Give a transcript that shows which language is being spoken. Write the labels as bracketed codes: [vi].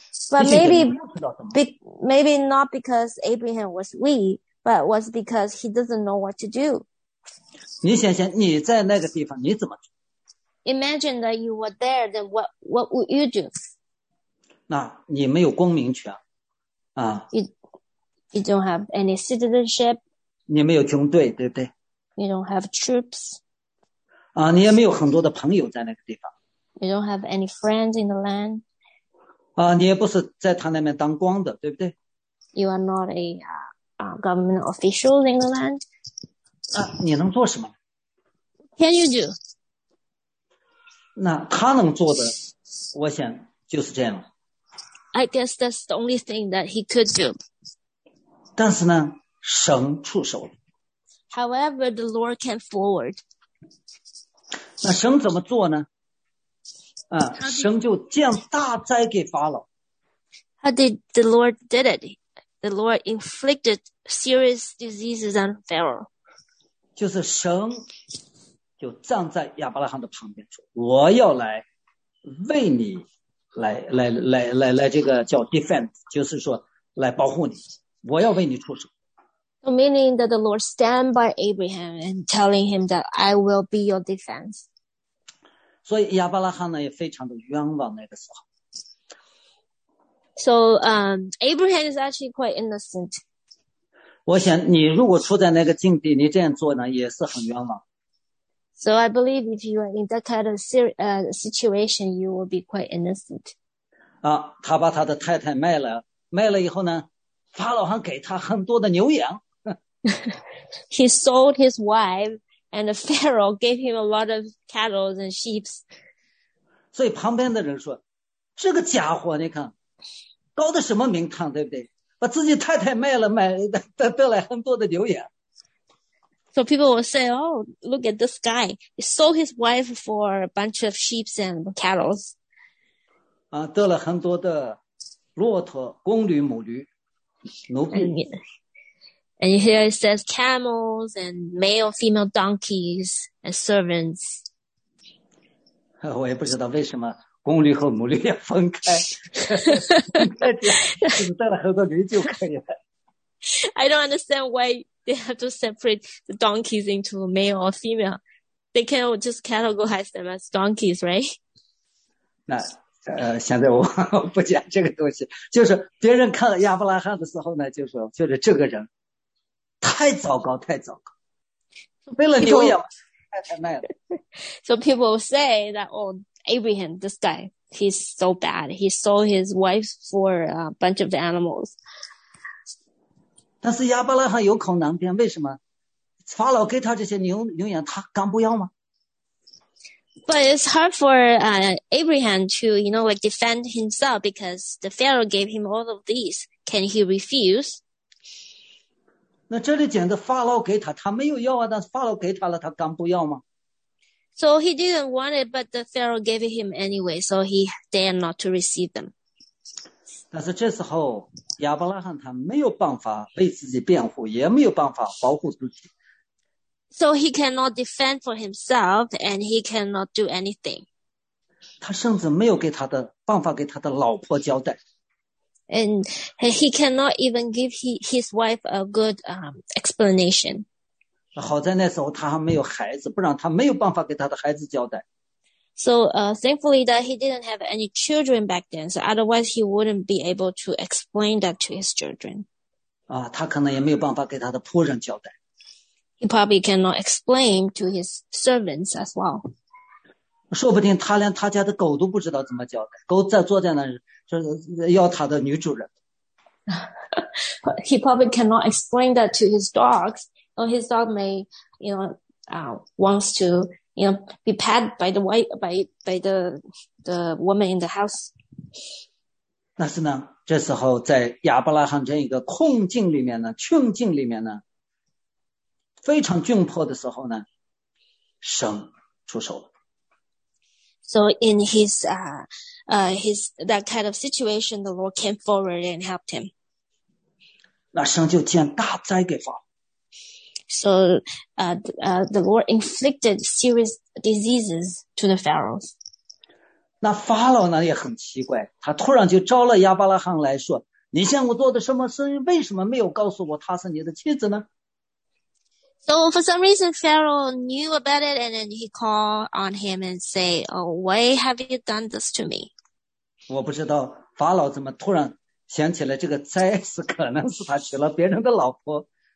[en] But maybe not because Abraham was weak, but was because he doesn't know what to do. [zh] 你想想你在那个地方你怎么做？ [en] Imagine that you were there, then what would you do? [zh] 那你没有公民权啊。 [en] You don't have any citizenship. [zh] 你没有军队，对不对？ [en] You don't have troops. [zh] 啊，你也没有很多的朋友在那个地方。 [en] You don't have any friends in the land. [zh] 啊，你也不是在他那边当官的，对不对 [en] ？You are not a government official in the land. [zh] 啊，你能做什么 [en] ？Can you do？ [zh] 那他能做的，我想就是这样。 [en] I guess that's the only thing that he could do. [zh] 但是呢，神出手了。 [en] However, the Lord came forward. [zh] 那神怎么做呢？嗯，神就降大灾给法老。 [en] How did the Lord did it? The Lord inflicted serious diseases on Pharaoh. [zh] 就是神就站在亚伯拉罕的旁边说：“我要来为你来这个叫 defend， 就是说来保护你，我要为你出手。” [en] So meaning that the Lord stand by Abraham and telling him that I will be your defense. [zh] 所以亚伯拉罕呢也非常的冤枉那个时候。 [en] So, Abraham is actually quite innocent. [zh] 我想你如果处在那个境地，你这样做呢也是很冤枉。 [en] So I believe if you are in that kind of situation, you will be quite innocent. [zh] 啊，他把他的太太卖了，卖了以后呢，法老还给他很多的牛羊。 [en] He sold his wife. And the Pharaoh gave him a lot of cattle and sheep. [zh] 所以旁边的人说，这个家伙你看，高的什么名堂，对不对？把自己太太卖了，买得来很多的牛羊。 [en] So people will say, oh, look at this guy. He sold his wife for a bunch of sheep and cattle. [zh] 啊，得了很多的骆驼、公驴、母驴、奴婢。 [en] And here it says camels and male, female donkeys and servants. [zh] 我也不知道为什么公驴和母驴要分开，带了很多驴就可以了。 [en] I don't understand why they have to separate the donkeys into male or female. They can just categorize them as donkeys, right? [zh] 那现在我不讲这个东西，就是别人看了亚伯拉罕的时候呢，就说就是这个人。太糟糕，太糟糕！为了牛羊，太卖了。 [en] So people say that, oh, Abraham, this guy, he's so bad. He sold his wife for a bunch of animals. [zh] 但是亚伯拉罕有口难辩，为什么法老给他这些牛羊，他敢不要吗 [en] ？But it's hard for Abraham to, you know, like defend himself because the Pharaoh gave him all of these. Can he refuse? [zh] 那这里讲的法老给他，他没有要啊，但是法老给他了，他敢不要吗 [en] ？So he didn't want it, but the Pharaoh gave it him anyway, so he dared not to receive them. [zh] 但是这时候亚伯拉罕他没有办法为自己辩护，也没有办法保护自己， [en] So he cannot defend for himself and he cannot do anything. [zh] 他甚至没有给他的办法给他的老婆交代。 [en] And he cannot even give his wife a good explanation. [zh] 好在那时候他还没有孩子，不然他没有办法给他的孩子交代。 [en] So thankfully that he didn't have any children back then, so otherwise he wouldn't be able to explain that to his children. [zh] 啊，他可能也没有办法给他的仆人交代。 [en] He probably cannot explain to his servants as well. [zh] 说不定他连他家的狗都不知道怎么交代，狗在坐在那就是要他的女主人。 [en] He probably cannot explain that to his dogs, or his dog may, you know, wants to, you know, be pet by the wife, by the woman in the house. [zh] 那是呢，这时候在亚伯拉罕这一个困境里面呢，困境里面呢。非常窘迫的时候呢，神出手了。 [en] So in his his that kind of situation, the Lord came forward and helped him. [zh] 那神就将大灾给发。 [en] So the Lord inflicted serious diseases to the pharaohs. [zh] 那法老呢也很奇怪，他突然就招了亚伯拉罕来说：“你向我做的什么事？为什么没有告诉我她是你的妻子呢？” [en] So for some reason, Pharaoh knew about it, and then he called on him and say, "Oh, why have you done this to me?" [zh] 我不知道法老怎么突然想起来这个灾是可能是他娶了别人的老婆。